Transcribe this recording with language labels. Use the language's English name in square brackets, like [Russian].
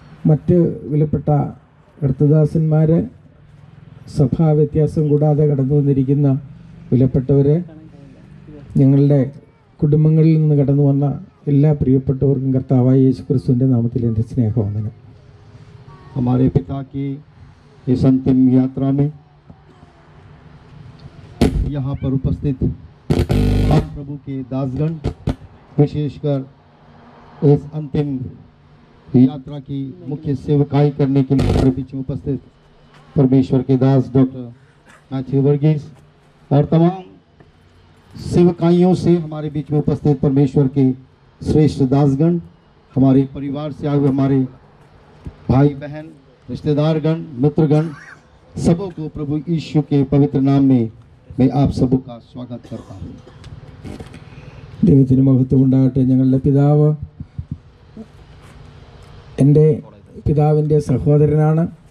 [Malayalam] മറ്റ് വിലപ്പെട്ട കർത്തൃദാസന്മാർ, സഭാ വ്യത്യാസം കൂടാതെ കടന്നു വന്നിരിക്കുന്ന വിലപ്പെട്ടവർ, ഞങ്ങളുടെ കുടുംബങ്ങളിൽ നിന്ന് കടന്നു വന്ന എല്ലാ പ്രിയപ്പെട്ടവർക്കും കർത്താവായ യേശു ക്രിസ്തുവിൻ്റെ നാമത്തിൽ എൻ്റെ സ്നേഹവന്ദനം. [Hindi] ഹമാരെ പിതാക്കി ഇസ് അന്തിം യാത്രാ മേ യഹാ പർ ഉപസ്ഥിത് ആപ് പ്രഭു കേ ദാസ്ഗൺ, विशेषकर इस अंतिम यात्रा की मुख्य सेवकाई करने के लिए बीच में उपस्थित परमेश्वर के दास डॉक्टर मैथ्यू वर्गीस और तमाम सेवकाइयों से हमारे बीच में उपस्थित परमेश्वर के श्रेष्ठ दासगण, हमारे परिवार से आए हुए हमारे भाई बहन रिश्तेदारगण मित्रगण सबों को प्रभु यीशु के पवित्र नाम में मैं आप सबों का स्वागत करता हूँ. [Malayalam] ദൈവത്തിന് മഹത്വം ഉണ്ടാകട്ടെ. ഞങ്ങളുടെ പിതാവ് എൻ്റെ പിതാവിൻ്റെ സഹോദരനാണ്.